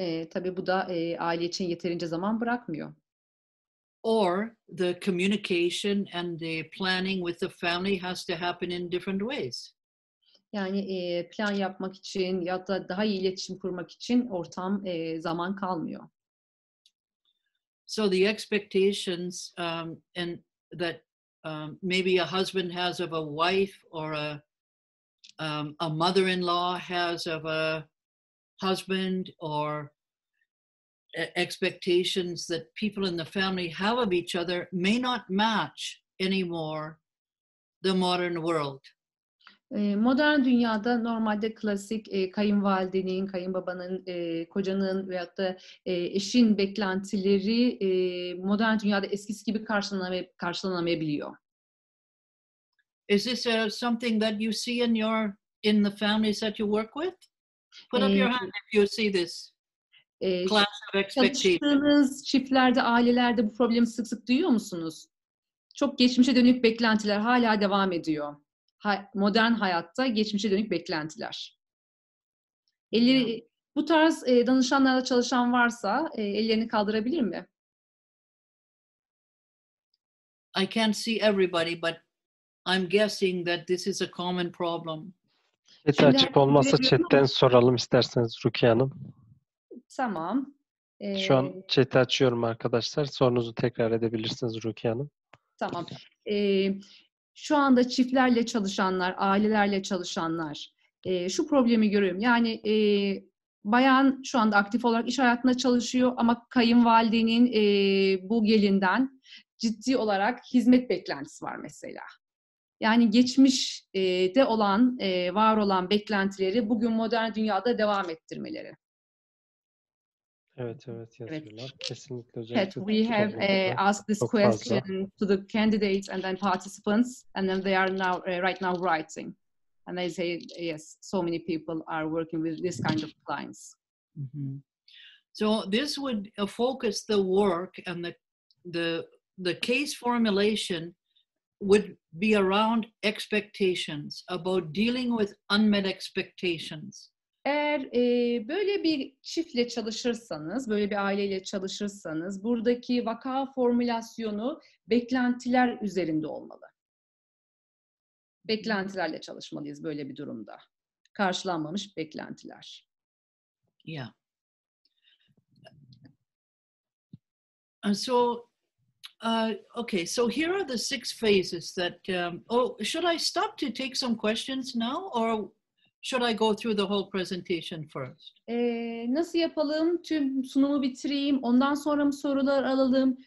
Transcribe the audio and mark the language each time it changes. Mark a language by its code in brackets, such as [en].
[tr] Tabii bu da aile için yeterince zaman bırakmıyor. [en] Or the communication and the planning with the family has to happen in different ways. [tr] Yani plan yapmak için ya da daha iyi iletişim kurmak için ortam zaman kalmıyor. [en] So the expectations and that maybe a husband has of a wife or a mother-in-law has of a husband or expectations that people in the family have of each other may not match anymore the modern world. [tr] Modern dünyada normalde klasik kayınvalidenin, kayınbabanın, kocanın veyahut da eşin beklentileri modern dünyada eskisi gibi karşılanamayabiliyor. [en] Is this something that you see in your in the families that you work with? Put up your hand if you see this. [tr] Çalıştığınız çiftlerde, ailelerde bu problemi sık sık duyuyor musunuz? Çok geçmişe dönük beklentiler hala devam ediyor. Modern hayatta geçmişe dönük beklentiler. Bu tarz danışanlarla çalışan varsa ellerini kaldırabilir mi? [en] I can't see everybody, but I'm guessing that this is a common problem. [tr] Chat açık olmazsa chatten soralım isterseniz Rukiye Hanım. Tamam. Şu an chat açıyorum arkadaşlar. Sorunuzu tekrar edebilirsiniz Rukiye Hanım. Tamam. Şu anda çiftlerle çalışanlar, ailelerle çalışanlar şu problemi görüyorum. Yani bayan şu anda aktif olarak iş hayatında çalışıyor ama kayınvalidenin bu gelinden ciddi olarak hizmet beklentisi var mesela. Yani geçmişte olan, var olan beklentileri bugün modern dünyada devam ettirmeleri. Evet, evet yazıyorlar. Evet. Kesinlikle özellikle. Evet, [en] we have asked this question [tr] fazla [en] to the candidates and then participants and then they are now right now writing. And they say yes, so many people are working with this kind of clients. Mm-hmm. So this would focus the work and the case formulation would be around expectations, about dealing with unmet expectations. [tr] Eğer böyle bir çiftle çalışırsanız, böyle bir aileyle çalışırsanız, buradaki vaka formülasyonu beklentiler üzerinde olmalı. Beklentilerle çalışmalıyız böyle bir durumda. Karşılanmamış beklentiler. Yeah. [en] And so, okay, so here are the six phases that, should I stop to take some questions now or... Should I go through the whole presentation first? [tr] Nasıl yapalım? Tüm sunumu bitireyim, ondan sonra mı sorular alalım?